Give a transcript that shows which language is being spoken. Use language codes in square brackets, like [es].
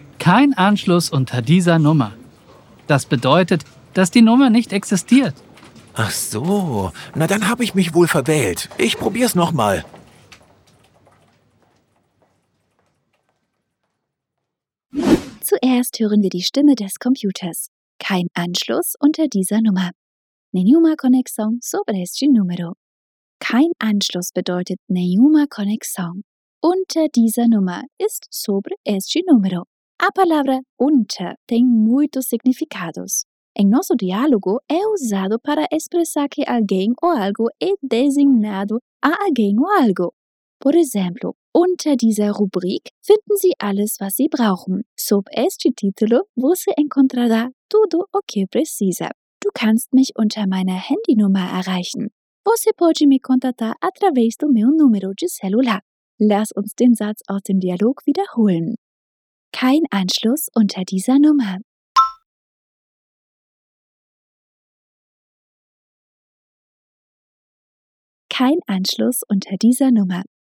[de] Kein Anschluss unter dieser Nummer. Das bedeutet, dass die Nummer nicht existiert. Ach so. Na dann habe ich mich wohl verwählt. Ich probier's nochmal. Zuerst hören wir die Stimme des Computers. Kein Anschluss unter dieser Nummer. [pt] Nenhuma conexão sobre este número. [de] Kein Anschluss bedeutet [pt] nenhuma conexão. [de] Unter dieser Nummer ist [pt] sobre este número. A palavra unter tem muitos significados. Em nosso diálogo é usado para expressar que alguém ou algo é designado a alguém ou algo. Por exemplo, [de] unter dieser Rubrik finden Sie alles, was Sie brauchen. [pt] Sob este título, você encontrará tudo o que precisa. [de] Du kannst mich unter meiner Handynummer erreichen. [pt] Você pode me contatar através do meu número de celular. [de] Lass uns den Satz aus dem Dialog wiederholen. Kein Anschluss unter dieser Nummer. Kein Anschluss unter dieser Nummer.